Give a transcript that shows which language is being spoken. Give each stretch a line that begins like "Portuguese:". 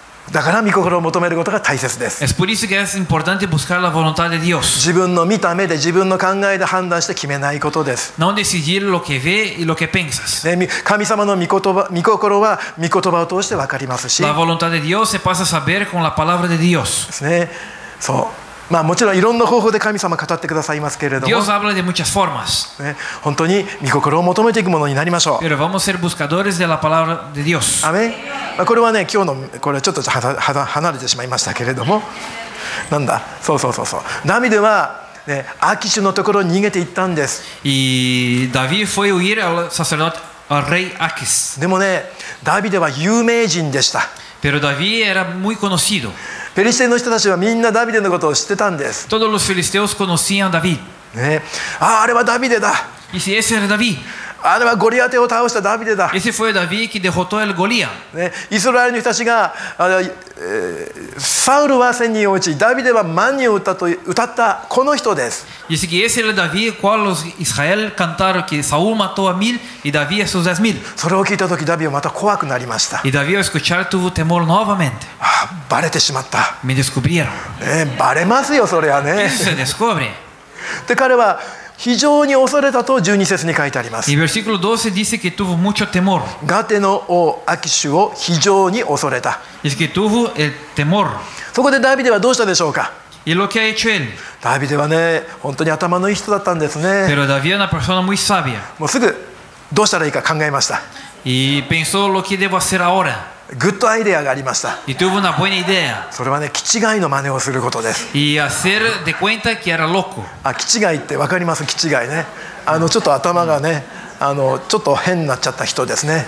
Japanese: だから御心を求めることが大切です。
Spanish: Es por eso que es importante buscar la voluntad de Dios.
Japanese: 自分の見た目で自分の考えで判断して決めないことです。
Spanish: No decidir lo que ve y lo que piensas.
Japanese: 神様の御心は御言葉を通して分かりますし。
Spanish: La voluntad de Dios se pasa a saber con la palabra de Dios.
Japanese: ですね。そう。まあもちろんいろんな方法で神様語ってくださいますけれども。
Spanish: Dios habla de muchas formas.
Japanese: ね、本当に御心を求めていくものになりましょう。
Spanish: Pero vamos a ser buscadores de la palabra de Dios.
Japanese: アメン。これはね、今日のこれはちょっとはだ離れてしまいましたけれども、なんだ、そうそうそうそう。ダビデは、ね、アキシュのところに逃げていったんです。
Spanish: Y David fue huir al sacerdote, al rey Aquis.
Japanese: でもね、ダビデは有名人でした。
Spanish: Pero David era muy conocido.
Japanese: ペリシテの人たちはみんなダビデのことを知ってたんです。
Spanish: Todos los filisteos conocían a David.
Japanese: ね、あ、あれはダビデだ。
Spanish: Y si ese era David.
Japanese: あれはゴリアテを倒したダビデだ。
Spanish: Ese fue David que derrotó al Goliat.
Japanese: ね、イスラエルの人たちが、サウルは千人を打ち、ダビデは万人を打ったと歌ったこの人です。
Spanish: Y es que ese era David cual los Israel cantaron que Saúl mató a mil y David a sus 10,000.
Japanese: それを聞いた時、ダビデはまた怖くなりました。
Spanish: Y David escuchar tuvo temor nuevamente.
Japanese: あ、バレてしまった。
Spanish: Me descubrieron.
Japanese: ね、バレますよ、それはね。
Spanish: Se descubre.
Japanese: で、彼は非常に恐れたと12節に書いてあります。
Spanish: Y versículo 12 dice que tuvo mucho temor.
Japanese: ガテの王アキシュを非常に恐れた。
Spanish: Es que tuvo el temor.
Japanese: そこでダビデはどうしたでしょうか。
Spanish: Y lo que ha hecho él.
Japanese: ダビデはね、本当に頭のいい人だったんですね。
Spanish: Pero David es una persona muy sabia.
Japanese: もうすぐどうしたらいいか考えました。
Spanish: Y pensó lo que debo hacer ahora.
Japanese: グッドアイデアがありました。
Spanish: Y tuvo una buena idea.
Japanese: それはね、キチガイの真似をすることです。
Spanish: Y hacer de cuenta que era loco.
Japanese: あ、キチガイって分かります？キチガイね、あのちょっと頭がね、あのちょっと変になっちゃった人ですね。